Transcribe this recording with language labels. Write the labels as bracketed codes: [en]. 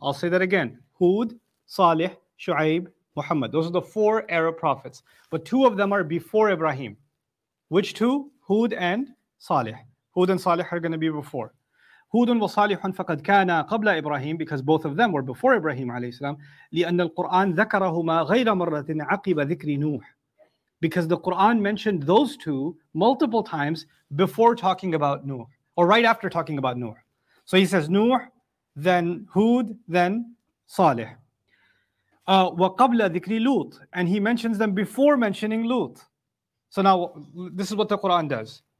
[en] I'll say that again: Hud, Salih, Shu'aib, Muhammad. Those are the four Arab prophets. But two of them are before Ibrahim. Which two? Hud and Salih. Hud and Salih are going to be before. [ar] Hudun wa Salihun faqad kana qabla Ibrahim, [en] because both of them were before Ibrahim alayhi salam. [ar] لأن القرآن ذكرهما غير مرة عقب ذكر نوح. [en] Because the Quran mentioned those two multiple times before talking about Nuh, or right after talking about Nuh. So he says Nuh, then Hud, then Salih. [ar] وَقَبْلَ ذِكْرِ لُوطٍ. [en] And he mentions them before mentioning Lut. So now, this is what the Quran does.